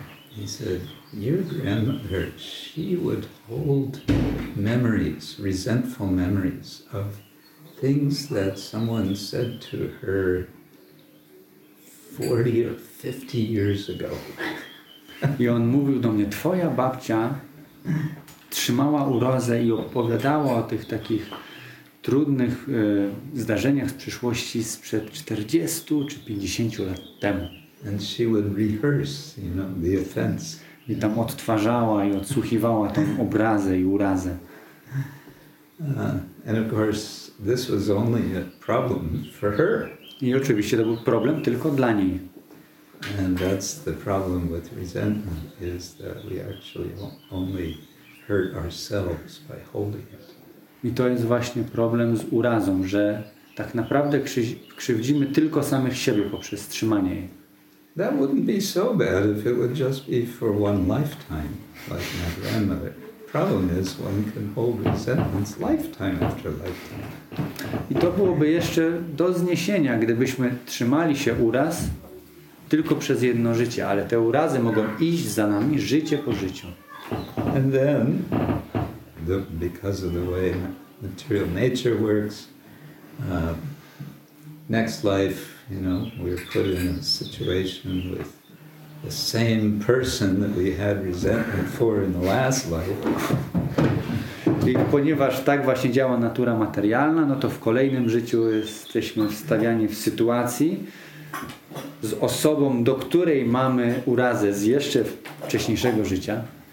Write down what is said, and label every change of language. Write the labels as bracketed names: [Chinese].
[English] He said, your grandmother, she would hold memories, resentful memories of things that someone said to her 40 or 50 years ago. [Polish] I on mówił do mnie, twoja babcia trzymała urazę i opowiadała o tych takich trudnych zdarzeniach z przeszłości sprzed 40 czy 50 lat temu. [English] And she would rehearse, you know, the offense. [Polish] I tam odtwarzała i odsłuchiwała tą obrazę i urazę. [English] And of course this was only a problem for her. [Polish] I oczywiście to był problem tylko dla niej. [English] And that's the problem with resentment, is that we actually only hurt ourselves by holding it. [Polish] I to jest właśnie problem z urazą, że tak naprawdę krzywdzimy tylko samych siebie poprzez trzymanie jej. [English] That wouldn't be so bad if it would just be for one lifetime, like my grandmother. Problem is, one can hold resentments lifetime after lifetime. [Polish] I to byłoby jeszcze do zniesienia, gdybyśmy trzymali się uraz tylko przez jedno życie, ale te urazy mogą iść za nami życie po życiu. [English] And then, because of the way material nature works, next life, you know, we're put in a situation with the same person that we had resentment for in the last life. [Polish] I ponieważ tak właśnie działa natura materialna, no to w kolejnym życiu jesteśmy wstawiani w sytuacji z osobą, do której mamy urazę z jeszcze wcześniejszego życia.